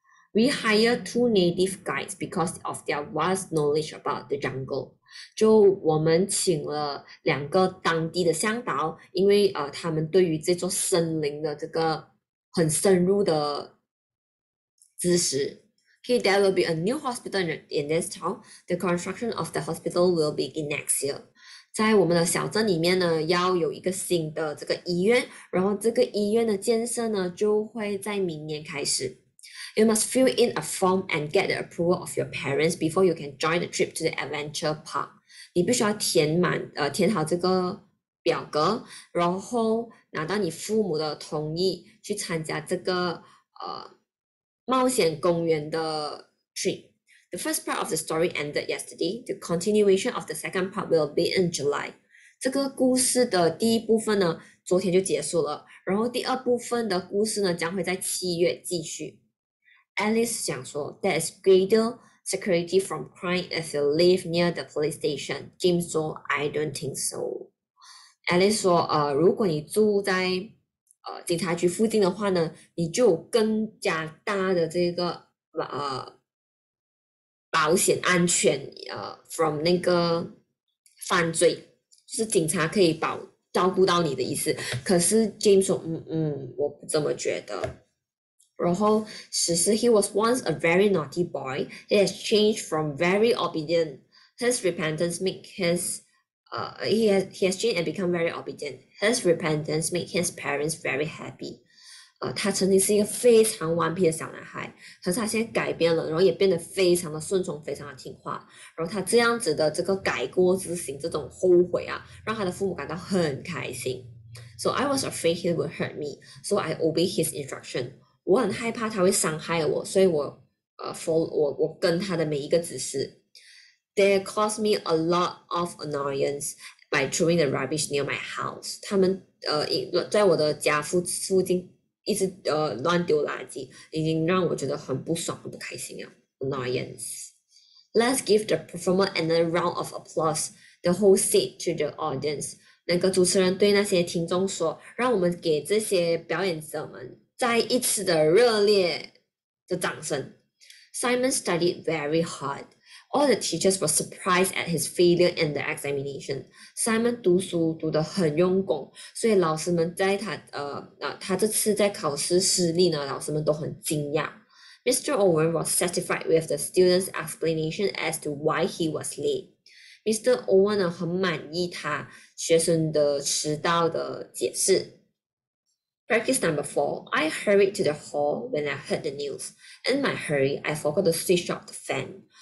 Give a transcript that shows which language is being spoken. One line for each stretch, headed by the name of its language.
English: We hire two native guides because of their vast knowledge about the jungle。
Chinese: 就我们请了两个当地的向导，因为他们对于这座森林的这个很深入的知识。
English: Okay, there will be a new hospital in this town. The construction of the hospital will begin next year.
Chinese: 在我们的小镇里面呢，要有一个新的这个医院，然后这个医院的建设呢，就会在明年开始。
English: You must fill in a form and get the approval of your parents before you can join the trip to the adventure park。
Chinese: 你必须要填好这个表格，然后拿到你父母的同意去参加这个冒险公园的 trip。
English: The first part of the story ended yesterday. The continuation of the second part will be in July.
Chinese: 这个故事的第一部分呢，昨天就结束了。然后第二部分的故事呢，将会在7月继续。Alice 讲说，
English: There is greater security from crime if you live near the police station. James 说，I don't think so。
Chinese: Alice 说，如果你住在警察局附近的话呢，你就更加大的这个保险安全from 那个犯罪，就是警察可以照顾到你的意思。可是 James 说，我不这么觉得。然后十四，
English: He was once a very naughty boy. He has changed from very obedient. His repentance make his, he has changed and become very obedient. His repentance make his parents very happy.
Chinese: 他曾经是一个非常顽皮的小男孩，可是他现在改变了，然后也变得非常的顺从，非常的听话。然后他这样子的这个改过自新，这种后悔啊，让他的父母感到很开心。
English: So I was afraid he would hurt me, so I obeyed his instruction.
Chinese: 我很害怕他会伤害我，所以我跟他的每一个指示。
English: They caused me a lot of annoyance by throwing the rubbish near my house。
Chinese: 他们在我的家附近一直乱丢垃圾，已经让我觉得很不爽、很不开心啊。
English: Annoyance。 Let's give the performer another round of applause。 The host said to the audience。
Chinese: 那个主持人对那些听众说：“让我们给这些表演者们。” 再一次的热烈的掌声。
English: Simon studied very hard. All the teachers were surprised at his failure in the examination.
Chinese: Simon 读书读得很用功，所以老师们在他这次在考试失利呢，老师们都很惊讶。
English: Mr. Owen was satisfied with the student's explanation as to why he was late.
Chinese: Mr. Owen 呢，很满意他学生的迟到的解释。
English: Practice number four. I hurried to the hall when I heard the news. In my hurry, I forgot to switch off the fan.